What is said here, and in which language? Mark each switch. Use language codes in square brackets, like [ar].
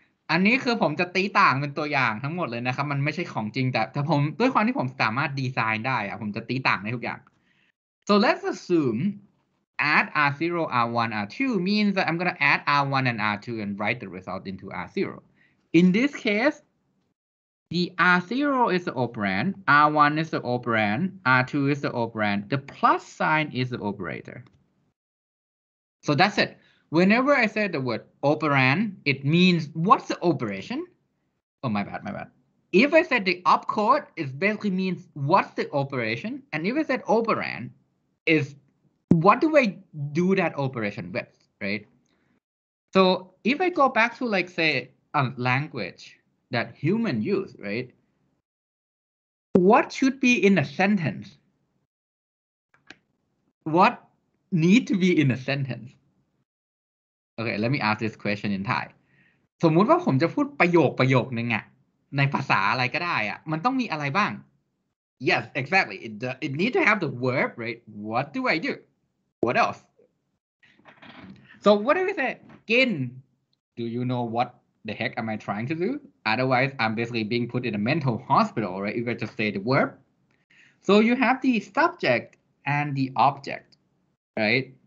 [th] อันนี้คือผมจะตีต่างเป็นตัวอย่างทั้งหมดเลยนะครับมันไม่ใช่ของจริงแต่ผมด้วยความที่ผมสามารถดีไซน์ได้อะผมจะตีต่างได้ทุกอย่าง [en] so let's assume add R0 R1 R2 means that I'm gonna add R1 and R2 and write the result into R0. In this case, the R0 is the operand, R1 is the operand, R2 is the operand, the plus sign is the operator. So that's it. Whenever I say the word operand, it means what's the operation? Oh, my bad. If I said the opcode, it basically means what's the operation? And if I said operand, is what do I do that operation with, right? So if I go back to like, say, a language that human use, right? What should be in a sentence? What need to be in a sentence? Okay, let me ask this question in Thai. [th] สมมุติว่าผมจะพูดประโยคหนึ่งอะในภาษาอะไรก็ได้อะมันต้องมีอะไรบ้าง [en] Yes, exactly. It need to have the verb, right? What do I do? What else? So what if I say, gain? Do you know what the heck am I trying to do? Otherwise, I'm basically being put in a mental hospital, right? If I just say the verb. So you have the subject and the object, right?